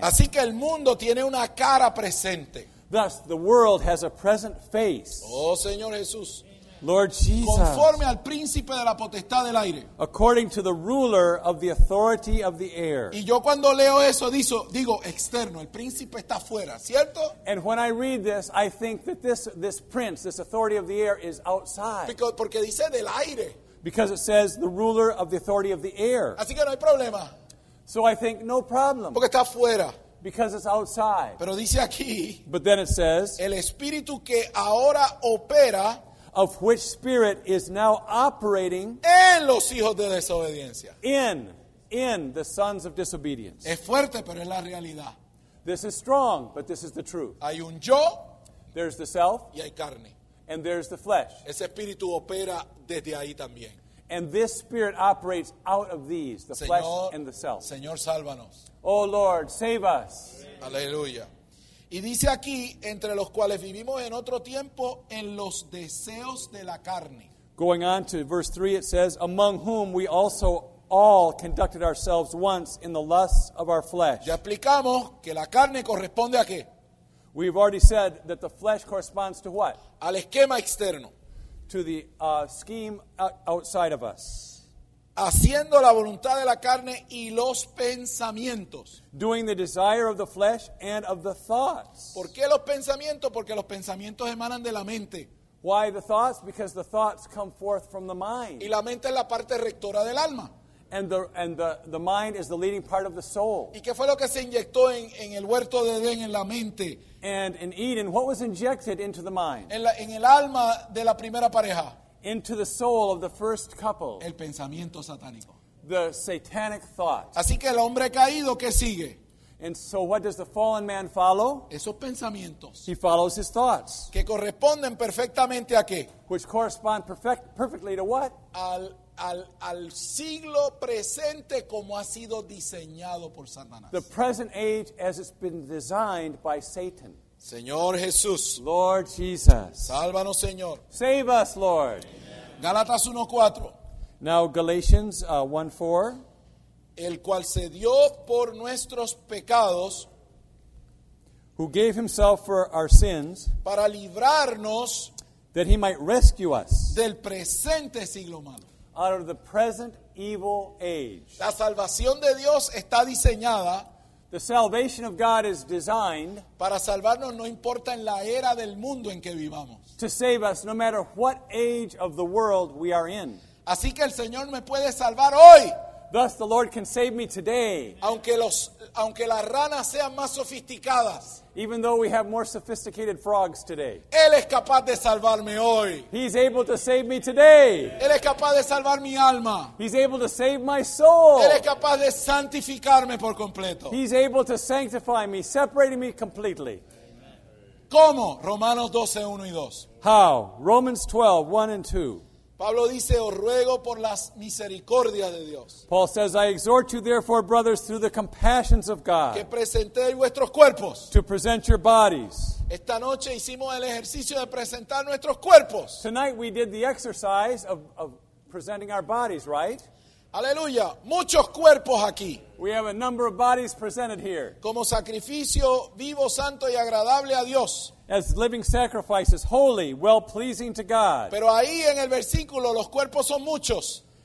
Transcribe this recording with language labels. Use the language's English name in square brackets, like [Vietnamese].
[Spanish] Así que el mundo tiene una cara presente. [English] Thus, the world has a present face. [Spanish] Oh, Señor Jesús. [English] Lord Jesus. [Spanish] Conforme al príncipe de la potestad del aire. [English] According to the ruler of the authority of the air. [Spanish] Y yo cuando leo eso digo externo, el príncipe está fuera, ¿cierto? [English] And when I read this, I think that this prince, this authority of the air is outside. [Spanish] Porque dice del aire. [English] Because it says the ruler of the authority of the air. [Spanish] Así que no hay problema. [English] So I think no problem. [Spanish] Porque está fuera. [English] Because it's outside. [Spanish] Pero dice aquí, [English] but then it says, [Spanish] el espíritu que ahora opera, [English] of which spirit is now operating [Spanish] en los hijos de desobediencia. [English] In the sons of disobedience. [Spanish] Es fuerte, pero es la realidad. [English] This is strong, but this is the truth. [Spanish] Hay un yo, [English] there's the self, [Spanish] y hay carne. [English] And there's the flesh. [Spanish] Ese espíritu opera desde ahí también. [English] And this spirit operates out of these, the [Spanish] Señor, [English] flesh and the self. [Spanish] Señor, sálvanos. [English] Oh Lord, save us. [Spanish] Aleluya. Y dice aquí, entre los cuales vivimos en otro tiempo, en los deseos de la carne. [English] Going on to verse 3, it says, among whom we also all conducted ourselves once in the lusts of our flesh. [Spanish] Ya explicamos que la carne corresponde a qué. [English] We've already said that the flesh corresponds to what? [Spanish] Al esquema externo. [English] To the scheme outside of us. [Spanish] Haciendo la voluntad de la carne y los pensamientos. [English] Doing the desire of the flesh and of the thoughts. [Spanish] ¿Por qué los pensamientos? Porque los pensamientos emanan de la mente. [English] Why the thoughts? Because the thoughts come forth from the mind. [Spanish] Y la mente es la parte rectora del alma. [English] And the mind is the leading part of the soul. [Spanish] ¿Y qué fue lo que se inyectó en el huerto de Edén en la mente? [English] And in Eden, what was injected into the mind? [Spanish] En el alma de la primera pareja. [English] Into the soul of the first couple. [Spanish] El pensamiento satánico. [English] The satanic thought. [Spanish] Así que el hombre caído, ¿qué sigue? [English] And so what does the fallen man follow? [Spanish] Esos pensamientos. [English] He follows his thoughts. [Spanish] Que corresponden perfectamente a qué? [English] Which correspond perfectly to what? [Spanish] Al al siglo presente como ha sido diseñado por Satanás. [English] The present age as it's been designed by Satan. [Spanish] Señor Jesús. [English] Lord Jesus. [Spanish] Sálvanos, Señor. [English] Save us, Lord. [Spanish] Amen. Gálatas 1:4. [English] Now Galatians 1:4. [Spanish] El cual se dio por nuestros pecados. [English] Who gave himself for our sins. [Spanish] Para librarnos. [English] That he might rescue us. [Spanish] Del presente siglo malo. [English] Out of the present evil age. [Spanish] La salvación de Dios está diseñada. [English] The salvation of God is designed. [Spanish] Para salvarnos no importa en la era del mundo en que vivamos. [English] To save us no matter what age of the world we are in. [Spanish] Así que el Señor me puede salvar hoy. [English] Thus the Lord can save me today. [Spanish] Aunque las ranas sean más sofisticadas. [English] Even though we have more sophisticated frogs today. [Spanish] Él es capaz de salvarme hoy. [English] He's able to save me today. [Spanish] Él es capaz de salvar mi alma. [English] He's able to save my soul. [Spanish] Él es capaz de santificarme por completo. [English] He's able to sanctify me, separating me completely. [Spanish] ¿Cómo? Romanos 12, 1 y 2. [English] How? Romans 12, 1 and 2. [Spanish] Pablo dice, os ruego por las misericordias de Dios. [English] Paul says, I exhort you therefore, brothers, through the compassions of God. [Spanish] Que presentéis vuestros cuerpos. [English] To present your bodies. [Spanish] Esta noche hicimos el ejercicio de presentar nuestros cuerpos. [English] Tonight we did the exercise of presenting our bodies, right? [Spanish] Aleluya. Muchos cuerpos aquí. [English] We have a number of bodies presented here. [Spanish] Como sacrificio vivo, santo y agradable a Dios. [English] As living sacrifices, holy, well-pleasing to God. [Spanish] Pero ahí en el versículo, los cuerpos son muchos.